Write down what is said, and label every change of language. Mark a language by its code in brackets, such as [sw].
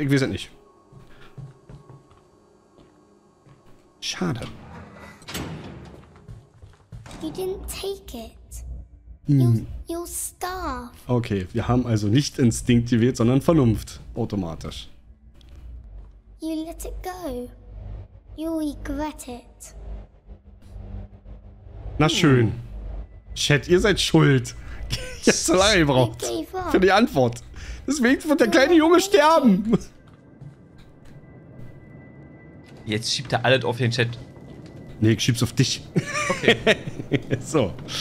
[de] Ich weiß es nicht. Schade. [en] You didn't take it. Your star. [de] Okay, wir haben also nicht Instinkt gewählt, sondern Vernunft. Automatisch. [en] You let it go. You regret it. [de] Na schön. Chat, ihr seid schuld. Ich hab so lange gebraucht für die Antwort. Deswegen wird der kleine Junge sterben. Jetzt schiebt er alles auf den Chat. Nee, ich schieb's auf dich. Okay. So.